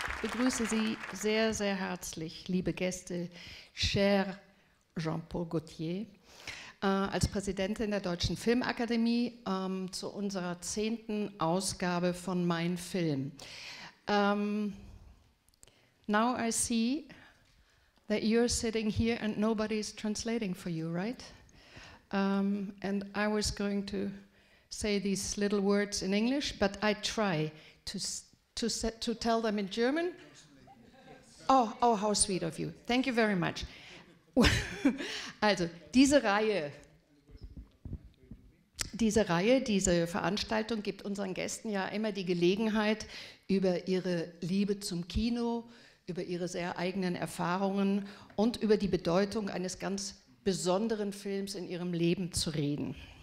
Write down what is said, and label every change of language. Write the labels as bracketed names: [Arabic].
[German] Ich begrüße Sie sehr, sehr herzlich, liebe Gäste, cher Jean-Paul Gaultier, als Präsidentin der Deutschen Filmakademie zu unserer 10. Ausgabe von Mein Film. [English] Now I see that you're sitting here and nobody's translating for you, right? And I was going to say these little words in English, but I try to tell them in German. Oh, how sweet of you. Thank you very much. [German] Also, diese Veranstaltung gibt unseren Gästen ja immer die Gelegenheit, über ihre Liebe zum Kino, über ihre sehr eigenen Erfahrungen und über die Bedeutung eines ganz besonderen Films in ihrem Leben zu reden.